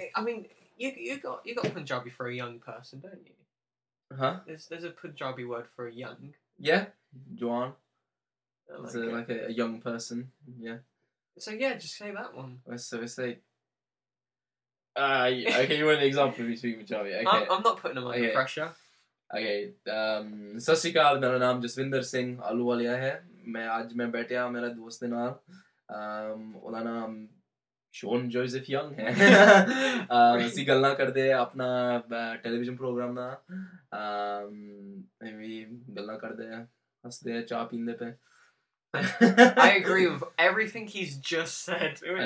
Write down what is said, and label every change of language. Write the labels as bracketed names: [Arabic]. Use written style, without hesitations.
[English] I mean, you got Punjabi for a young person, don't you? Huh? There's a Punjabi word for a young. Yeah, Juan. Like a young person. Yeah. So yeah, just say that one. So we say. Okay. You want an example of me speaking Punjabi? Okay. I'm not putting them under pressure. [Punjabi] Okay, ਸਤਿ ਸ਼੍ਰੀ ਅਕਾਲ, ਮੇਰਾ ਨਾਮ ਜਸਵਿੰਦਰ ਸਿੰਘ ਆਲੂਵਾਲੀਆ ਹੈ, ਮੈਂ ਅੱਜ ਮੈਂ ਬੈਠਿਆ ਮੇਰੇ ਦੋਸਤ ਦੇ ਨਾਲ, ਉਹਦਾ ਨਾਮ ਸ਼ੋਨ ਜੋਸੇਫ ਯੰਗ ਹੈ, ਅਸੀਂ ਗੱਲਾਂ ਕਰਦੇ ਆਪਣਾ ਟੈਲੀਵਿਜ਼ਨ ਪ੍ਰੋਗਰਾਮ ਦਾ, ਵੀ ਗੱਲਾਂ ਕਰਦੇ ਹਾਂ, ਹੱਸਦੇ ਹਾਂ, ਚਾਹ ਪੀਂਦੇ ਪਏ. [English] I agree with everything he's just said.